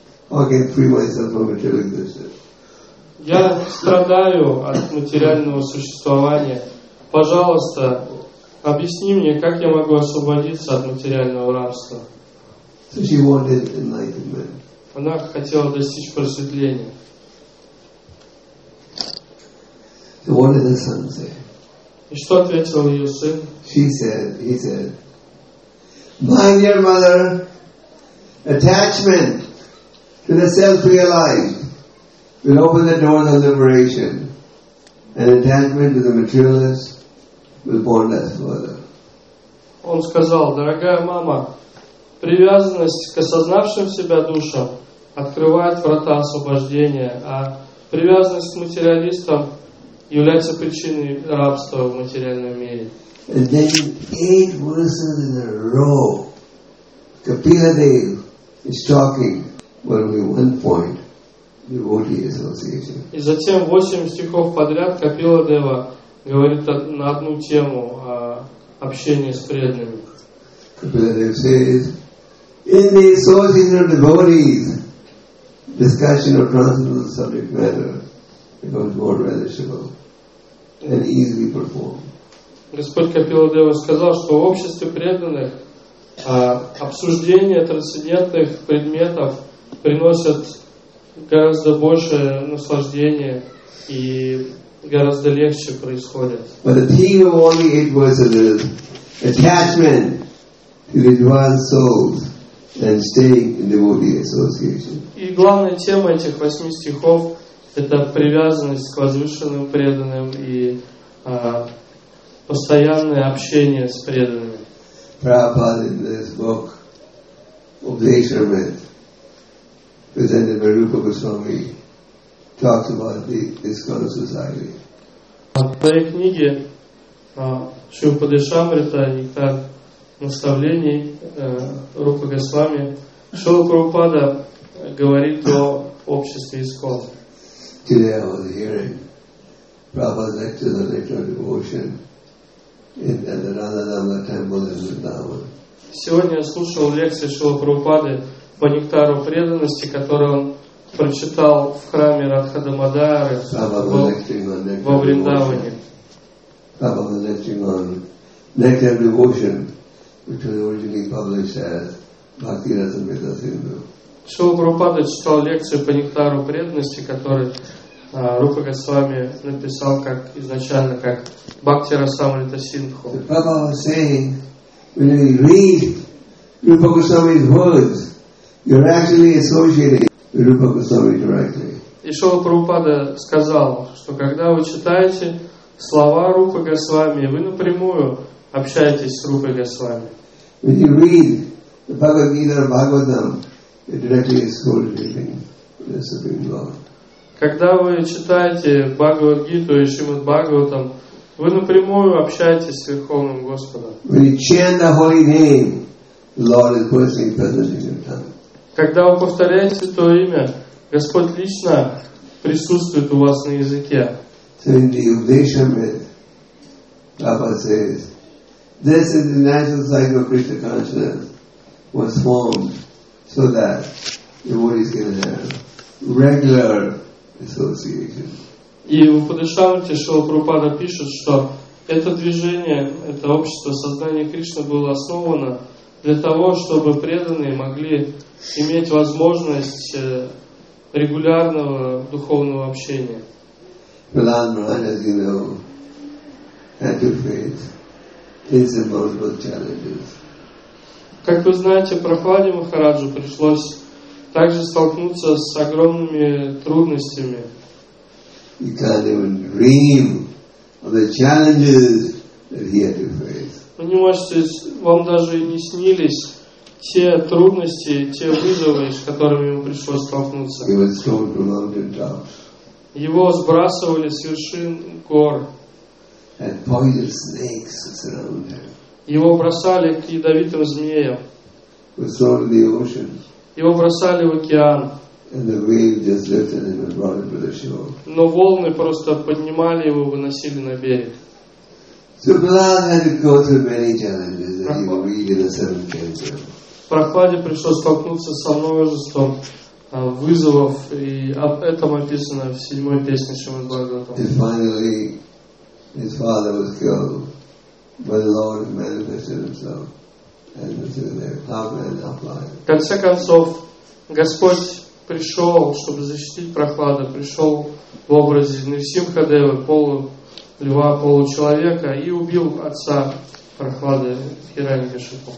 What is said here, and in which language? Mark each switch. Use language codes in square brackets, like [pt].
[en] How can I free myself from material existence? [ru] Я страдаю от материального существования. Пожалуйста, объясни мне, как я могу освободиться от материального рабства. [en] So she wanted enlightenment. [ru] Она хотела достичь просветления. [en] So what did the son say? [ru] И что ответил ее сын? [en] She said, he said, my dear mother, attachment to the self realized will open the door of liberation, and attachment to the materialist will bond us further. [ru] Он сказал: «Дорогая мама, привязанность к осознавшим себя душам открывает врата освобождения, а привязанность к материалистам является причиной рабства в материальном мире». [en] And then 8 verses in a row, Kapila Dev is talking about only one point, devotee association. [ru] И затем 8 стихов подряд Капила Дева говорит на одну тему о общении с преданными. [en] Kapila Dev says, in the association of devotees, discussion of transcendental subject matter becomes more relishable and easily performed. [ru] Господь Капила Дева сказал, что в обществе преданных обсуждение трансцендентных предметов приносит гораздо больше наслаждения и гораздо легче происходит. [en] But the theme of all the 8 verses is attachment to the advanced souls and staying in devotee association. [ru] И главная тема этих 8 стихов – это привязанность к возвышенным преданным и постоянное общение с преданными. [en] Prabhupada in this book of the Ashramit presented by Rupa Goswami talks about the ISKCON society. [ru] В своей книге Шрила Дешамрита и как наставлений Рупа Госвами Шрила Прабхупада говорит о обществе ISKCON. [en] Today I was hearing Prabhupada's lecture on the nature of devotion in the Radha-Dhamma temple in Vrindavan. [ru] Сегодня я слушал лекции Шрилы Прабхупады по нектару преданности, которую он прочитал в храме Радха-Дамодары во Вриндаване. [en] Prabhupada lecturing on nectar of devotion, which was originally published as Bhakti Rasamrita Sindhu. [ru] Шрила Прабхупада читал лекцию по нектару преданности, которую Рупа Госвами написал как изначально как Бхакти Расамрита Синдху. [en] Prabhupada was saying, when you read Rupa Goswami's words, you're actually associating with Rupa Goswami directly. [ru] И Шрила Прабхупада сказал, что когда вы читаете слова Рупа Госвами, вы напрямую общаетесь с Рупой Госвами. [en] When you read the Bhagavad Gita or Bhagavatam, you're directly associating with the Supreme Lord. [ru] Когда вы читаете Бхагавад-гиту и Шримад-Бхагаватам, вы напрямую общаетесь с Верховным Господом. [en] When you chant the holy name, the Lord is personally present in your tongue. [ru] Когда вы повторяете то имя, Господь лично присутствует у вас на языке. [en] So in the Upadeshamrita, Prabhupada says, this is the natural cycle of Krishna consciousness was formed so that devotees can have regular association. [ru] И в Упадешамрите Шрила Прабхупада пишет, что это движение, это общество сознания Кришны было основано для того, чтобы преданные могли иметь возможность регулярного духовного общения. [en] Prahlad Maharaj, as you know, had to face insurmountable challenges. [ru] Как вы знаете, Прахладе Махараджу пришлось также столкнуться с огромными трудностями. [en] He can't even dream of the challenges that he had to face. [ru] Вы не можете, вам даже и не снились те трудности, те вызовы, с которыми ему пришлось столкнуться. [en] He was thrown from mountain tops. [ru] Его сбрасывали с вершин гор. [en] And poisonous snakes surrounded him. [ru] Его бросали к ядовитым змеям. [en] He was thrown in the ocean. [ru] Его бросали в океан. [en] And the wave just lifted him and brought him to the shore. [ru] Но волны просто поднимали его, выносили на берег. [en] So Prahlad had to go through many challenges that he will read in the seventh canto. [ru] Прохладе пришлось столкнуться со множеством вызовов, и об этом описано в седьмой песне Шримад-Бхагаватам. [en] And finally, his father was killed, but the Lord manifested himself. [ru] В конце концов, Господь пришел, чтобы защитить Прохлада, пришел в образе Нарсимхадевы, полу-льва, получеловека, и убил отца Прохлады, Хираньяку Шипу.